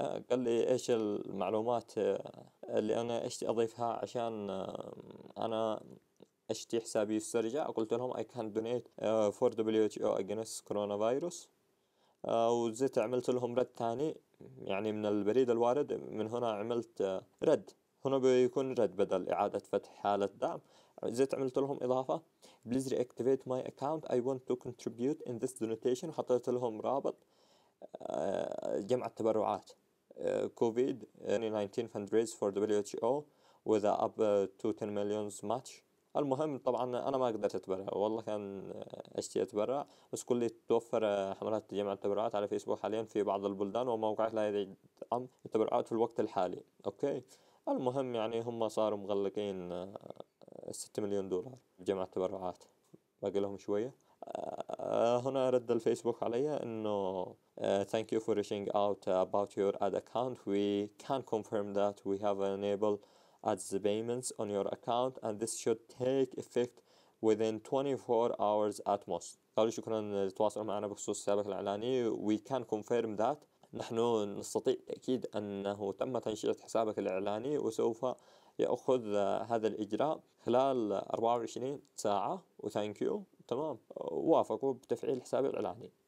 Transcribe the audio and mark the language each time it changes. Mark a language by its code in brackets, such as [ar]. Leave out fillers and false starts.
[ar] قال لي ايش المعلومات اللي انا ايش اضيفها عشان انا اشتي حسابي يسترجع. قلت لهم [en] I can donate for W H O against corona virus, [ar] وزيت عملت لهم رد ثاني يعني من البريد الوارد. من هنا عملت رد، هنا بيكون رد بدل إعادة فتح حالة دعم. زيت عملت لهم إضافة، [en] please reactivate my account I want to contribute in this donation، [ar] وحطيت لهم رابط جمع التبرعات [en] COVID-19 fundraise for WHO with up to 10 million match. [ar] المهم طبعا أنا ما قدرت أتبرع، والله كان أشتي أتبرع، بس كل اللي توفر حملات جمع التبرعات على فيسبوك حاليا في بعض البلدان، وموقع لا يدعم التبرعات في الوقت الحالي. أوكي، المهم يعني هم صاروا مغلقين 6 مليون دولار جمع التبرعات، باقي لهم شوية. هنا رد الفيسبوك علي انه [en] thank you for reaching out about your ad account. We can confirm that we have enabled ads payments on your account and this should take effect within 24 hours at most. [ar] قالوا شكرا لتواصل معنا بخصوص حسابك الإعلاني. [en] We can confirm that، [ar] نحن نستطيع تأكيد أنه تم تنشيط حسابك الإعلاني وسوف يأخذ هذا الإجراء خلال 24 ساعة. [en] وثانك يو، [ar] تمام، وافقوا بتفعيل حسابي الإعلاني.